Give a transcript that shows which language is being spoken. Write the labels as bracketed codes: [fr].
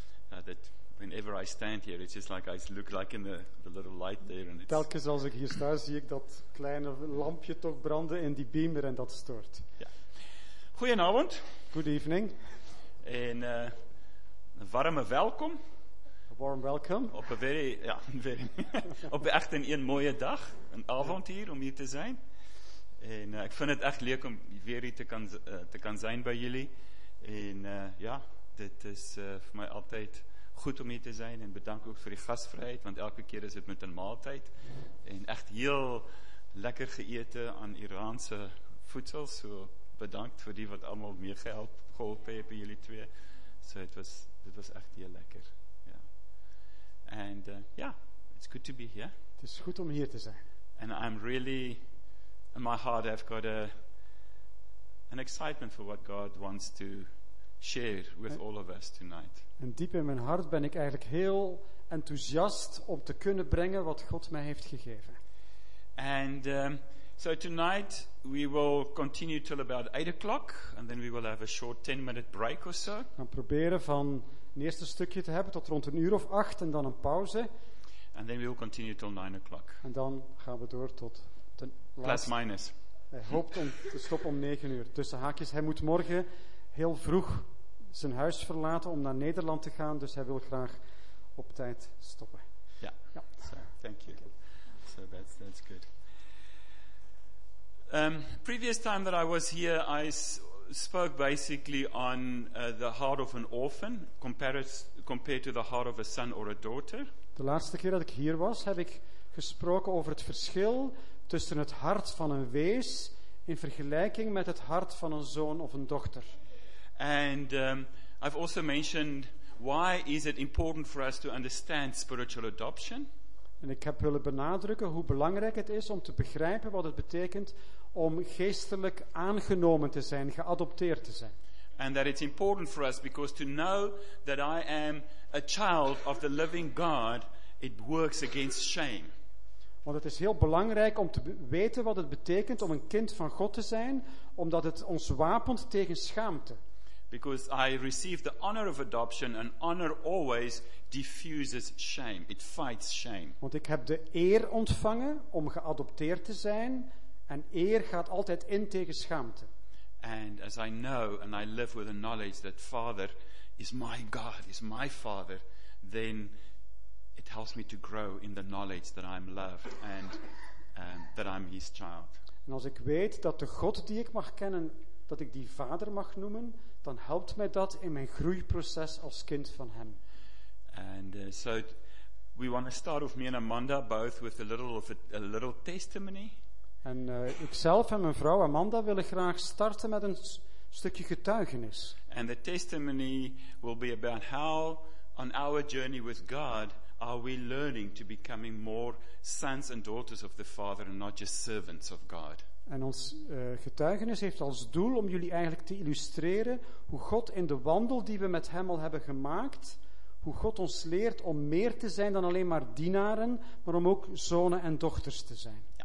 [en] that whenever I stand here, it's just like I look like in the little light there. And [nl] telkens als ik hier sta, zie ik dat kleine lampje toch branden in die beamer en dat stoort. Ja. Goedenavond. [en] Good evening. [nl] En een warme welkom. [en] A warm welcome. [nl] Op een very, ja, very op echt een mooie dag, een avond hier om hier te zijn. En ik vind het echt leuk om weer hier te kan zijn bij jullie. En ja, dit is voor mij altijd goed om hier te zijn. En bedank ook voor die gastvrijheid, want elke keer is het met een maaltijd. En echt heel lekker geëten aan Iraanse voedsel. So, bedankt voor die wat allemaal geholpen hebben, jullie twee. So, het was echt heel lekker. Ja. En ja, [en] it's good to be here. [nl] Het is goed om hier te zijn. [en] And I'm really... In my heart, I've got an excitement for what God wants to share with all of us tonight. [nl] En diep in mijn hart ben ik eigenlijk heel enthousiast om te kunnen brengen wat God mij heeft gegeven. [en] And so tonight we will continue till about 8 o'clock, and then we will have a short 10-minute break or so. [nl] We gaan proberen van een eerste stukje te hebben tot rond 1 uur of 8, en dan een pauze. [en] And then we will continue till 9 o'clock. [nl] En dan gaan we door tot plus minus. Hij hoopt om te stoppen om 9 uur. Tussen haakjes, hij moet morgen heel vroeg zijn huis verlaten om naar Nederland te gaan, dus hij wil graag op tijd stoppen. Ja. Ja. [en] So, thank you. So that's good. Previous time that I was here, I spoke basically on the heart of an orphan compared to the heart of a son or a daughter. [nl] De laatste keer dat ik hier was, heb ik gesproken over het verschil tussen het hart van een wees in vergelijking met het hart van een zoon of een dochter. [en] And I've also mentioned why is it important for us to understand spiritual adoption. [nl] En ik heb willen benadrukken hoe belangrijk het is om te begrijpen wat het betekent om geestelijk aangenomen te zijn, geadopteerd te zijn. [en] And that it's important for us because to know that I am a child of the living God, it works against shame. [nl] Want het is heel belangrijk om te weten wat het betekent om een kind van God te zijn, omdat het ons wapent tegen schaamte. [en] Because I receive the honor of adoption, and honor always diffuses shame. It fights shame. [nl] Want ik heb de eer ontvangen om geadopteerd te zijn, en eer gaat altijd in tegen schaamte. [en] And as I know and I live with the knowledge that Father is my God, is my Father, then it helps me to grow in the knowledge that I'm loved and that I'm his child. [nl] En als ik weet dat de God die ik mag kennen, dat ik die vader mag noemen, dan helpt mij dat in mijn groeiproces als kind van hem. [en] And so we want to start with me and Amanda both with a little testimony. [nl] En ikzelf en mijn vrouw Amanda willen graag starten met een stukje getuigenis. [en] And the testimony will be about how on our journey with God are we learning to becoming more sons and daughters of the Father and not just servants of God. [nl] En ons getuigenis heeft als doel om jullie eigenlijk te illustreren hoe God in de wandel die we met hem al hebben gemaakt, hoe God ons leert om meer te zijn dan alleen maar dienaren, maar om ook zonen en dochters te zijn.